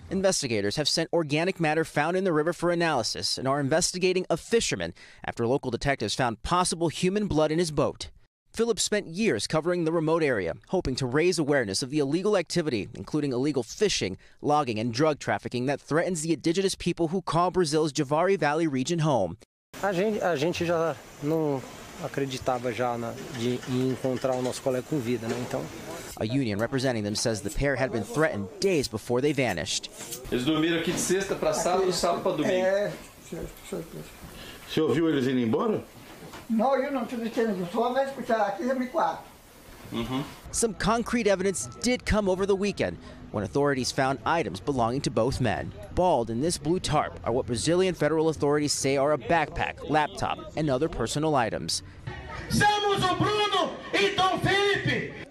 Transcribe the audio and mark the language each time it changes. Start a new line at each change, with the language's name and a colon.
English: Investigators have sent organic matter found in the river for analysis and are investigating a fisherman after local detectives found possible human blood in his boat. Phillips spent years covering the remote area, hoping to raise awareness of the illegal activity, including illegal fishing, logging, and drug trafficking that threatens the indigenous people who call Brazil's Javari Valley region home.
Portuguese: A gente já não acreditava já na, de encontrar o nosso colega com vida, né? Então,
English: a union representing them says the pair had been threatened days before they vanished.
Portuguese: Eles dormiram aqui de sexta para sábado, do sábado para domingo. É. Você ouviu eles indo embora? Não, eu não tive tempo de som, mas porque aqui é meu quarto.
English: Some concrete evidence did come over the weekend when authorities found items belonging to both men. Balled in this blue tarp are what Brazilian federal authorities say are a backpack, laptop, and other personal items.
Portuguese: Somos o Bruno e Dom Felipe.